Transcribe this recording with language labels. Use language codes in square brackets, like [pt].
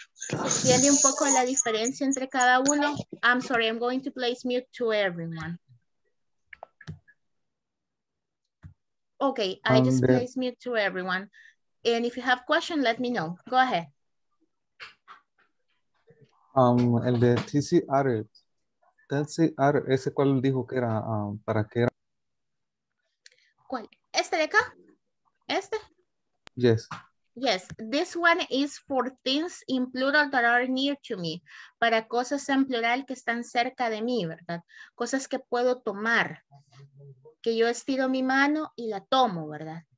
[es] ¿Entiende un poco la diferencia entre cada uno? [en] I'm sorry, I'm going to place mute to everyone. Okay, I just placed mute to everyone. And if you have questions, let me know. Go ahead. [es] El de TC Art. TC Art, ese cual dijo que era para qué era. ¿Cuál? ¿Este de acá? ¿Este? [en] Yes. Yes, this one is for things in plural that are near to me. [es] Para cosas en plural que están cerca de mí, ¿verdad? Cosas que puedo tomar. Que yo estiro mi mano y la tomo, ¿verdad?